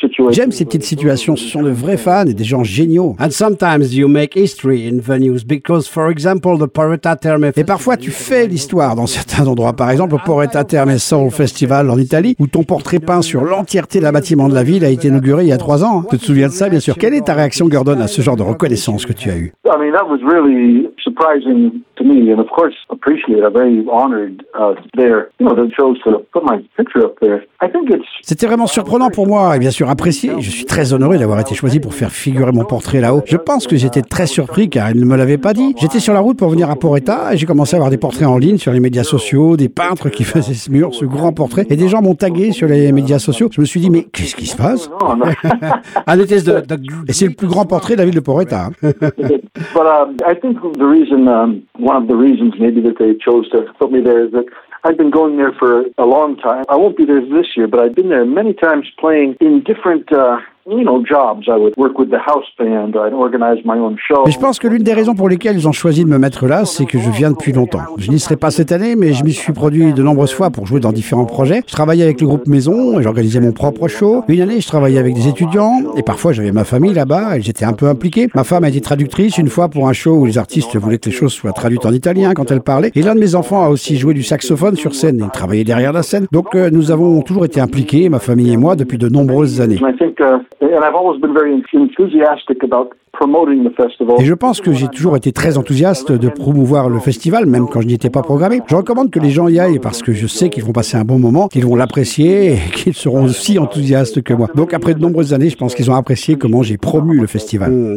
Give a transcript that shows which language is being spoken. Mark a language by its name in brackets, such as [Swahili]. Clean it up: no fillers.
[French] J'aime ces petites situations. Ce sont de vrais fans et des gens géniaux. [English] And sometimes you make history in venues because, for example, the Porretta Terme. [French] Et parfois tu fais l'histoire dans certains endroits. Par exemple, le Porretta Terme Soul Festival en Italie, où ton portrait peint sur l'entièreté de la bâtiment de la ville a été inauguré il y a 3 ans. Tu te souviens de ça, bien sûr. Quelle est ta réaction, Gordon, à ce genre de reconnaissance que tu as eue? I mean, that was really surprising to me, and of course appreciated. I'm very honored there. You know, they chose to put my picture up there. I think it's... C'était vraiment surprenant pour moi, et bien sûr apprécié. Je suis très honoré d'avoir été choisi pour faire figurer mon portrait là-haut. Je pense que j'étais très surpris car ils ne me l'avaient pas dit. J'étais sur la route pour venir à Porretta et j'ai commencé à avoir des portraits en ligne sur les médias sociaux, des peintres qui faisaient ce mur, ce grand portrait, et des gens m'ont tagué sur les médias sociaux. Je me suis dit, mais qu'est-ce qui se passe? Un test de... Et c'est le plus grand portrait de la ville de Porretta. [English] But I think the reason, one of the reasons maybe that they chose to put me there is that I've been going there for a long time. I won't be there this year, but I've been there many times playing in different... jobs. I would work with the house band. I'd organize my own show. [French] Mais je pense que l'une des raisons pour lesquelles ils ont choisi de me mettre là, c'est que je viens depuis longtemps. Je n'y serai pas cette année, mais je m'y suis produit de nombreuses fois pour jouer dans différents projets. Je travaillais avec le groupe Maison et j'organisais mon propre show. Une année, je travaillais avec des étudiants et parfois j'avais ma famille là-bas et j'étais un peu impliqué. Ma femme a été traductrice une fois pour un show où les artistes voulaient que les choses soient traduites en italien quand elles parlaient. Et l'un de mes enfants a aussi joué du saxophone sur scène et travaillé derrière la scène. Donc nous avons toujours été impliqués, ma famille et moi, depuis de nombreuses années. [English] And I've always been very enthusiastic about promoting the festival. [French] Et je pense que j'ai toujours été très enthousiaste de promouvoir le festival, même quand je n'y étais pas programmé. Je recommande que les gens y aillent parce que je sais qu'ils vont passer un bon moment, qu'ils vont l'apprécier et qu'ils seront aussi enthousiastes que moi. Donc après de nombreuses années, je pense qu'ils ont apprécié comment j'ai promu le festival.